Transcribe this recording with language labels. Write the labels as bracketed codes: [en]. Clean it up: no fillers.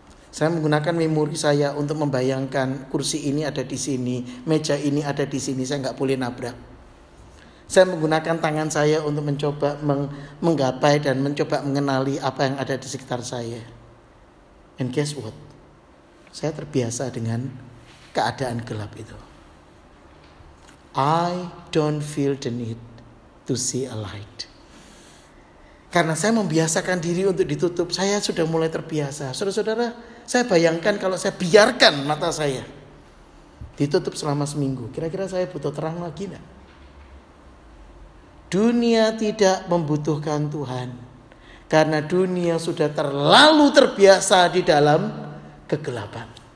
[id] Saya menggunakan memori saya untuk membayangkan kursi ini ada di sini, meja ini ada di sini, saya nggak boleh nabrak. Saya menggunakan tangan saya untuk mencoba menggapai dan mencoba mengenali apa yang ada di sekitar saya. [en] And guess what? [id] Saya terbiasa dengan keadaan gelap itu. [en] I don't feel the need to see a light. [id] Karena saya membiasakan diri untuk ditutup, saya sudah mulai terbiasa. Saudara-saudara, saya bayangkan kalau saya biarkan mata saya ditutup selama seminggu, kira-kira saya butuh terang lagi enggak? Dunia tidak membutuhkan Tuhan, karena dunia sudah terlalu terbiasa di dalam kegelapan.